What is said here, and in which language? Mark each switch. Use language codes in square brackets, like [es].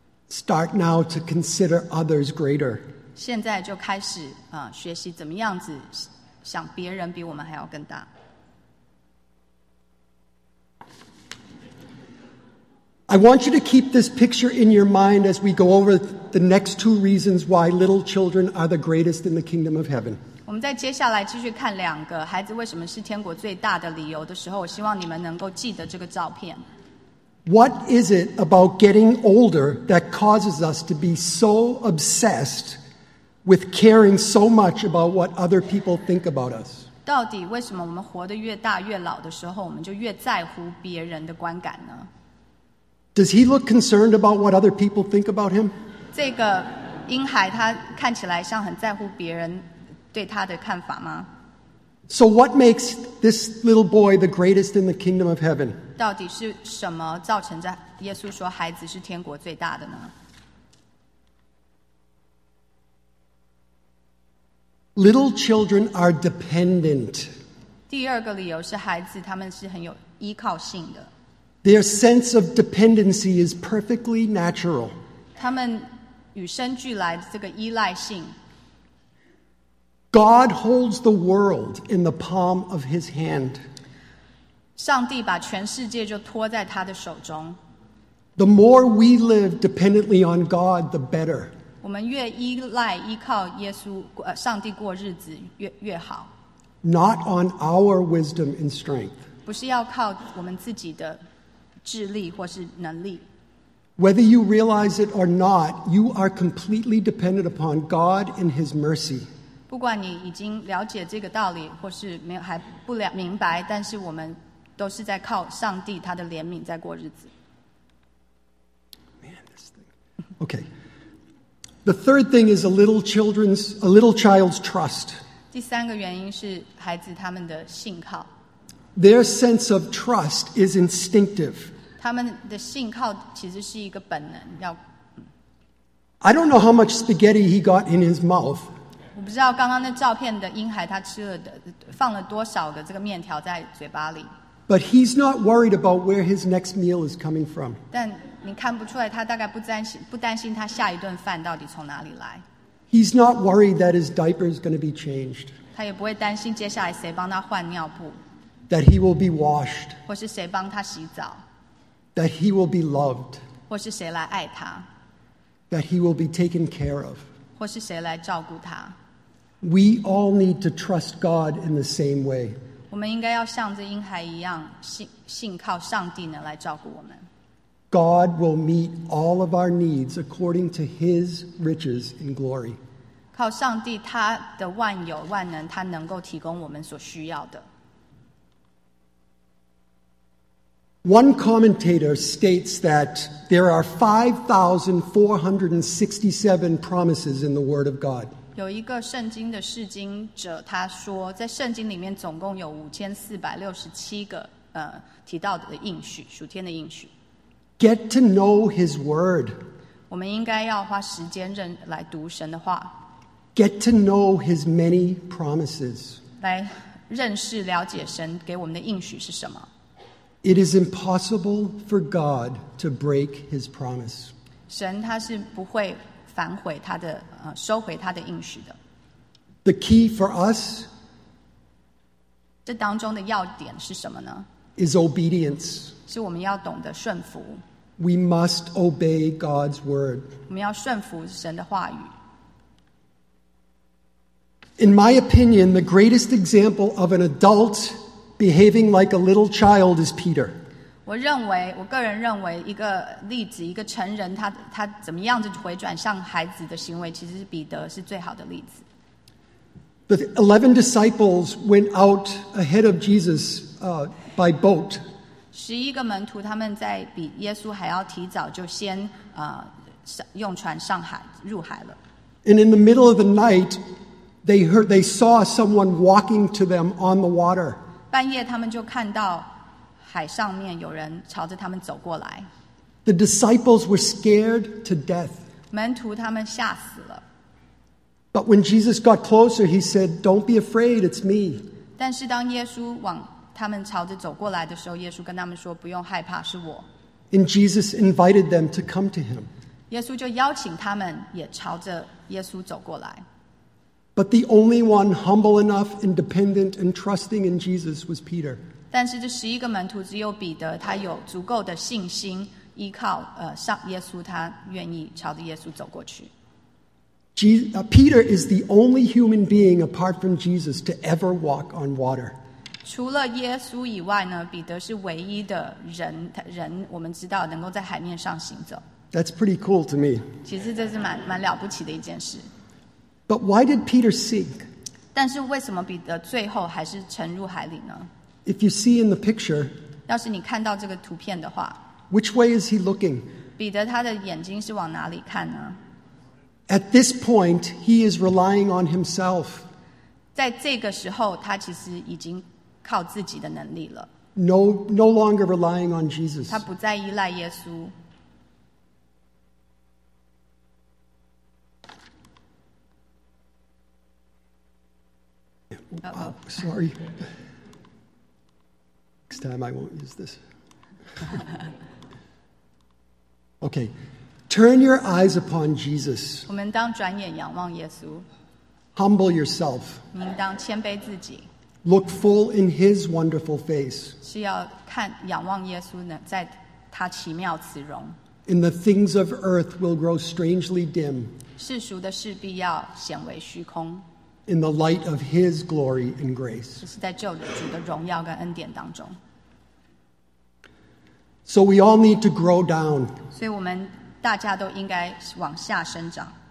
[en] Start now to consider others greater. [zh] 现在就开始, 学习怎么样子想别人比我们还要更大。 [en] I want you to keep this picture in your mind as we go over the next two reasons why little children are the greatest in the kingdom of heaven. [zh] 我们再接下来继续看两个孩子为什么是天国最大的理由的时候, 我希望你们能够记得这个照片。 [en] What is it about getting older that causes us to be so obsessed with caring so much about what other people think about us? [zh] 到底为什么我们活得越大越老的时候，我们就越在乎别人的观感呢？ [en] Does he look concerned about what other people think about him? [zh] 这个婴孩他看起来像很在乎别人对他的看法吗？ [en] So what makes this little boy the greatest in the kingdom of heaven? [zh] 到底是什么造成这耶稣说孩子是天国最大的呢？ [en] Little children are dependent. [zh] 第二个理由是孩子他们是很有依靠性的。 [en] Their sense of dependency is perfectly natural. [zh] 他们与生俱来的这个依赖性。 [en] God holds the world in the palm of his hand. [zh] 上帝把全世界就托在他的手中。 [en] The more we live dependently on God, the better. [zh] 我们越依赖依靠耶稣上帝过日子 越好 [en] Not on our wisdom and strength [zh] 不是要靠我们自己的智力或是能力 [en] Whether you realize it or not You are completely dependent upon God and his mercy [zh] 不管你已经了解这个道理或是没有还不了明白但是我们都是在靠上帝他的怜悯在过日子 [en] Man, this thing. Okay The third thing is a little child's trust. [zh] 第三个原因是孩子他们的信靠。 [en] Their sense of trust is instinctive. [zh] 他们的信靠其实是一个本能。要 [en] I don't know how much spaghetti he got in his mouth. [zh] 我不知道刚刚那照片的婴孩他吃了的放了多少个这个面条在嘴巴里。 [en] But he's not worried about where his next meal is coming from. [zh] 但你看不出来他大概不担心他下一顿饭到底从哪里来。 [en] He's not worried that his diaper is going to be changed. [zh] 他也不会担心接下来谁帮他换尿布。 [en] That he will be washed. [zh] 或是谁帮他洗澡。 [en] That he will be loved. [zh] 或是谁来爱他。 [en] That he will be taken care of. [zh] 或是谁来照顾他。 [en] We all need to trust God in the same way. [zh] 我们应该要像这婴孩一样信靠上帝呢来照顾我们。 [en] God will meet all of our needs according to His riches and glory. [zh] 靠上帝，他的万有万能，他能够提供我们所需要的。 [en] One commentator states that there are 5,467 promises in the Word of God. [zh] 有一个圣经的释经者他说，在圣经里面总共有5467个提到的应许，属天的应许。 [en] Get to know His Word. [zh] 我们应该要花时间来读神的话。 [en] Get to know His many promises. [zh] 来认识了解神给我们的应许是什么。 [en] It is impossible for God to break His promise. [zh] 神他是不会反悔他的收回他的应许的。 [en] The key for us. [zh] 这当中的要点是什么呢？ [en] Is obedience. [zh] 是我们要懂得顺服。 [en] We must obey God's word. [zh] 我们要顺服神的话语。 [en] In my opinion, the greatest example of an adult behaving like a little child is Peter. [zh] 我个人认为一个例子，一个成人他怎么样子回转向孩子的行为，其实是彼得是最好的例子。 [en] The 11 disciples went out ahead of Jesus, by boat. [zh] 十一个门徒他们在比耶稣还要提早就先用船上海入海了。 [en] And in the middle of the night, they saw someone walking to them on the water. [zh] 半夜他们就看到海上面有人朝着他们走过来。 [en] The disciples were scared to death. [zh] 门徒他们吓死了。 [en] But when Jesus got closer, he said, "Don't be afraid, it's me." [zh] 但是当耶稣往他们朝着走过来的时候，耶稣跟他们说，不用害怕，是我。 [en] And Jesus invited them to come to him. [zh] 耶稣就邀请他们也朝着耶稣走过来。 [en] But the only one humble enough and dependent and trusting in Jesus was Peter. [zh] 但是这十一个门徒只有彼得，他有足够的信心依靠上耶稣，他愿意朝着耶稣走过去。 [en] Peter is the only human being apart from Jesus to ever walk on water. [zh] 除了耶稣以外呢，彼得是唯一的人我们知道能够在海面上行走。 [en] That's pretty cool to me. [zh] 其实这是蛮了不起的一件事。 [en] But why did Peter sink? [zh] 但是为什么彼得最后还是沉入海里呢？ [en] If you see in the picture, [zh] 要是你看到这个图片的话， [en] which way is he looking? [zh] 彼得他的眼睛是往哪里看呢？ [en] At this point, he is relying on himself. [zh] 在这个时候，他其实已经靠自己的能力了。 [en] No longer relying on Jesus. [zh] 他不再依赖耶稣。 [en] Sorry. Next time I won't use this. Okay. Turn your eyes upon Jesus. [zh] 我们当转眼仰望耶稣。 [en] Humble yourself. [zh] 您当谦卑自己。 [en] Look full in his wonderful face. [zh] 是要看仰望耶稣呢，在他奇妙慈容。 [en] And the things of earth will grow strangely dim. [zh] 世俗的事必要显为虚空。 [en] In the light of his glory and grace. [zh] 是在救主的荣耀跟恩典当中。 [en] So we all need to grow down. [zh] 所以我们大家都应该往下生长。